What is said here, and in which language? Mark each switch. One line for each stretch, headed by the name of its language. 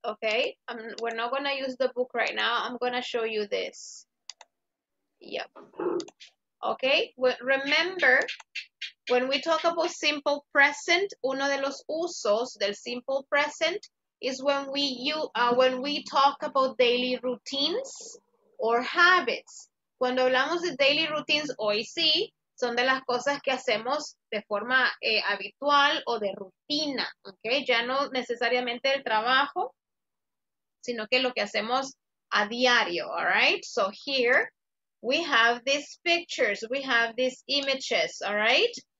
English: Okay, we're not going to use the book right now. I'm going to show you this. Yep. Okay, remember, when we talk about simple present,
Spanish: uno de los usos del simple present
English: is when we talk about daily routines or habits.
Spanish: Cuando hablamos de
English: daily routines,
Spanish: hoy sí, son de las cosas que hacemos de forma habitual o de rutina. Okay, ya no necesariamente el trabajo, sino que lo que hacemos a diario,
English: all right? So here, we have these pictures, we have these images, all right?